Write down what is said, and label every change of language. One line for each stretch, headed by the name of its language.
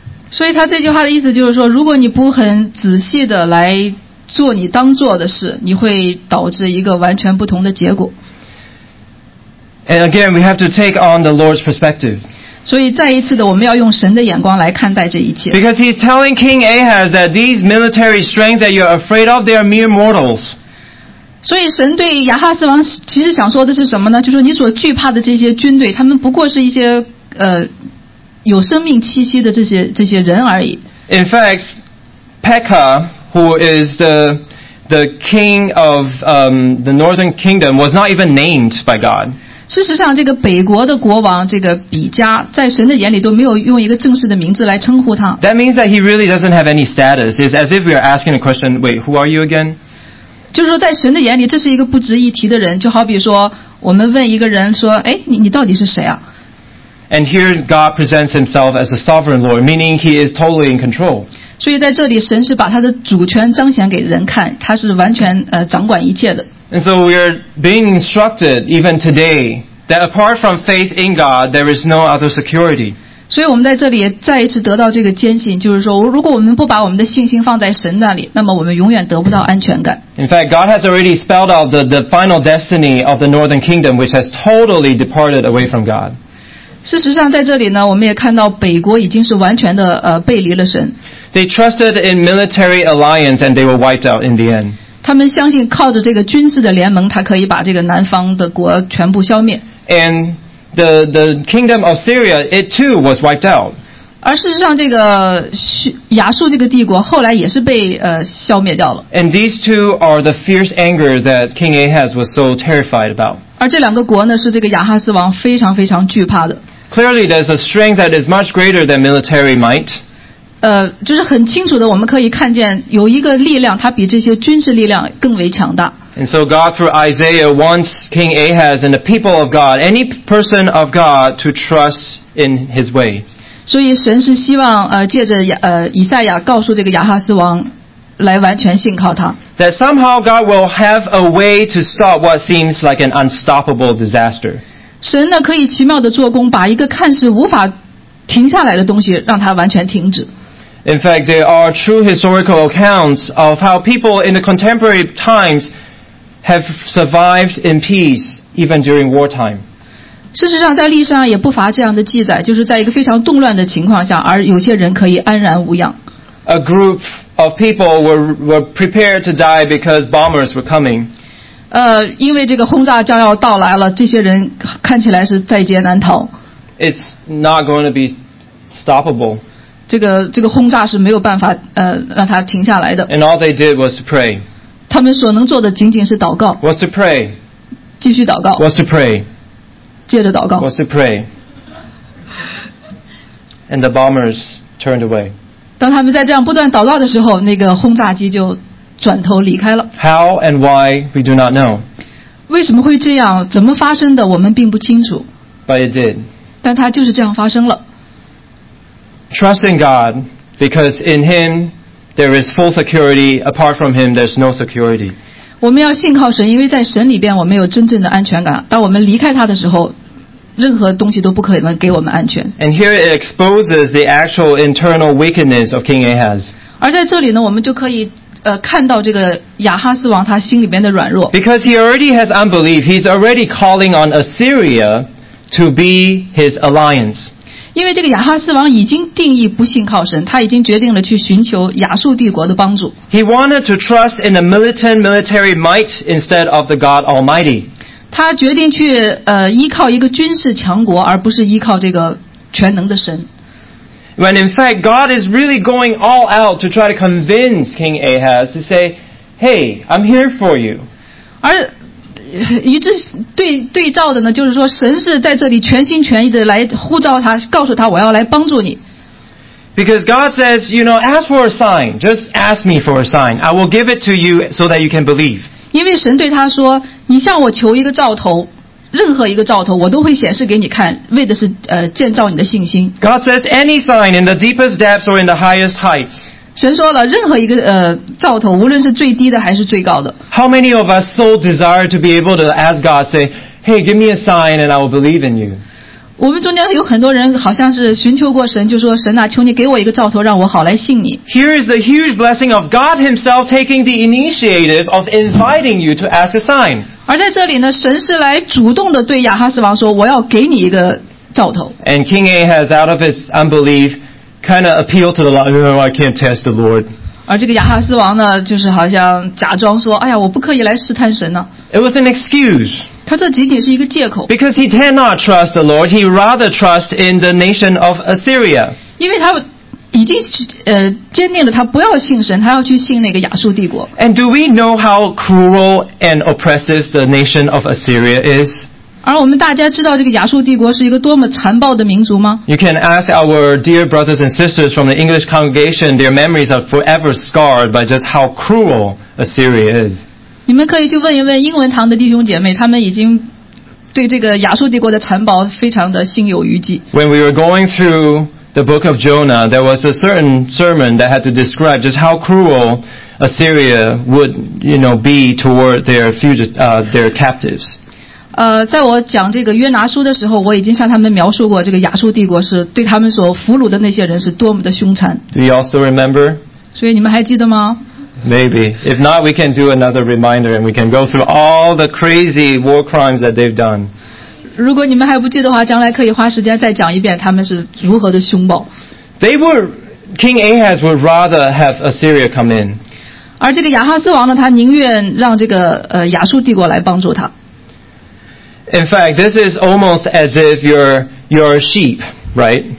Chinese: 所以他这句话的意思就是说，如果你不很仔细的来做你当做的事，你会导致一个完全不同的结果。
English: And again, we have to take on the Lord's perspective.
Chinese: 所以再一次的，我们要用神的眼光来看待这一切。
English: Because he's telling King Ahaz that these military strength that you're afraid of, they are mere mortals.
Chinese: 所以神对亚哈斯王其实想说的是什么呢？就是你所惧怕的这些军队，他们不过是一些有生命气息的这些人而已。
English: In fact, Pekah, who is the king of the northern kingdom, was not even named by God.
Chinese: 事实上，这个北国的国王这个比加，在神的眼里都没有用一个正式的名字来称呼他。
English: That means that he really doesn't have any status. It's as if we are asking a question. Wait, who are you again?
Chinese: 就是说，在神的眼里，这是一个不值一提的人。就好比说，我们问一个人说，哎，你到底是谁啊？
English: And here God presents himself as the sovereign Lord, meaning he is totally in control.
Chinese: 所以在这里神是把他的主权彰显给人看，他是完全掌管一切的。
English: And so we are being instructed even today that apart from faith in God, there is no other security.
Chinese: 所以我们在这里再一次得到这个坚信，就是说如果我们不把我们的信心放在神那里，那么我们永远得不到安全感。
English: In fact, God has already spelled out the final destiny of the northern kingdom, which has totally departed away from God.
Chinese: 事实上在这里呢我们也看到北国已经是完全的背离了神。
English: They trusted in military alliance and they were wiped out in the end.
Chinese: 他们相信靠着这个军事的联盟他可以把这个南方的国全部消灭。
English: And the kingdom of Syria, it too was wiped out.
Chinese: 而事实上这个亚述这个帝国后来也是被消灭掉了。
English: And these two are the fierce anger that King Ahaz was so terrified about.
Chinese: 而这两个国呢，是这个亚哈斯王非常非常惧怕的。
English: Clearly, there's a strength that is much greater than military might.
Chinese: 就是很清楚的，我们可以看见有一个力量，它比这些军事力量更为强大。
English: And so God, through Isaiah, wants King Ahaz and the people of God, any person of God, to trust in His way.
Chinese: 所以神是希望借着以赛亚告诉这个亚哈斯王。来完全信靠他。
English: That somehow God will have a way to stop what seems like an unstoppable disaster.
Chinese: 神呢可以奇妙的做工，把一个看似无法停下来的东西，让它完全停止。
English: In fact, there are true historical accounts of how people in the contemporary times have survived in peace even during wartime.
Chinese: 事实上在历史上也不乏这样的记载，就是在一个非常动乱的情况下，而有些人可以安然无恙。
English: A group of people were prepared to die because bombers were coming.
Chinese: 因为这个轰炸将要到来了，这些人看起来是在劫难逃。
English: It's not going to be stoppable.
Chinese: 这个轰炸是没有办法让它停下来的。
English: And all they did was to pray.
Chinese: 他们所能做的仅仅是祷告。
English: Was to pray.
Chinese: 继续祷告。
English: Was to pray.
Chinese: 接着祷告。
English: Was to pray. And the bombers turned away.
Chinese: 当他们在这样不断祷告的时候，那个轰炸机就转头离开了。
English: How and why we do not know.
Chinese: 为什么会这样？怎么发生的？我们并不清楚。
English: But it did.
Chinese: 但它就是这样发生了。
English: Trust in God, because in Him there is full security. Apart from Him, there's no security.
Chinese: 我们要信靠神，因为在神里边我们有真正的安全感。当我们离开他的时候。任何东西都不可能给我们安全。
English: And here it exposes the actual internal wickedness of King Ahaz.
Chinese: 而在这里呢，我们就可以看到这个亚哈斯王他心里面的软弱。
English: Because he already has unbelief, he's already calling on Assyria to be his alliance.
Chinese: 因为这个亚哈斯王已经定义不信靠神，他已经决定了去寻求亚述帝国的帮助。
English: He wanted to trust in the militant military might instead of the God Almighty.
Chinese: 他决定去依靠一个军事强国，而不是依靠这个全能的神。
English: When in fact God is really going all out to try to convince King Ahaz to say, "Hey, I'm here for you."
Chinese: 而与之对照的呢，就是说神是在这里全心全意的来呼召他，告诉他我要来帮助你。
English: Because God says, "You know, ask for a sign. Just ask me for a sign. I will give it to you so that you can believe."
Chinese: 因为神对他说。你向我求一个兆头，任何一个兆头，我都会显示给你看，为的是建造你的信心。
English: God says any sign in the deepest depths or in the highest heights.
Chinese: 神说了任何一个兆头无论是最低的还是最高的
English: How many of us so desire to be able to ask God say Hey give me a sign and I will believe in you
Chinese: 我们中间有很多人好像是寻求过神就说神啊求你给我一个兆头让我好来信你
English: Here is the huge blessing of God himself taking the initiative of inviting you to ask a sign
Chinese: 而在这里呢神是来主动的对亚哈斯王说我要给你一个兆头
English: And King Ahaz out of his unbelievKind of appeal to the Lord. No, I can't test the Lord.
Chinese: 而这个亚哈斯王呢，就是好像假装说，哎呀，我不可以来试探神呢。
English: It was an excuse.
Chinese: 他这仅仅是一个借口。
English: Because he did not trust the Lord, he rather trust in the nation of Assyria.
Chinese: 因为他已经坚定了他不要信神，他要去信那个亚述帝国。
English: And do we know how cruel and oppressive the nation of Assyria is?
Chinese: 而我们大家知道这个亚述帝国是一个多么残暴的民族吗
English: You can ask our dear brothers and sisters from the English congregation their memories are forever scarred by just how cruel Assyria is
Chinese: 你们可以去问一问英文堂的弟兄姐妹他们已经对这个亚述帝国的残暴非常的心有余悸
English: When we were going through the book of Jonah there was a certain sermon that had to describe just how cruel Assyria would you know, be toward their captives
Chinese: 在我讲这个约拿书的时候我已经向他们描述过这个亚述帝国是对他们所俘虏的那些人是多么的凶残
English: Do you also remember?
Chinese: 所以你们还记得吗
English: Maybe If not we can do another reminder and we can go through all the crazy war crimes that they've done
Chinese: 如果你们还不记得的话将来可以花时间再讲一遍他们是如何的凶暴
English: They were King Ahaz would rather have Assyria come in
Chinese: 而这个亚哈斯王呢他宁愿让这个亚述帝国来帮助他
English: In fact, this is almost as if you're a sheep, right?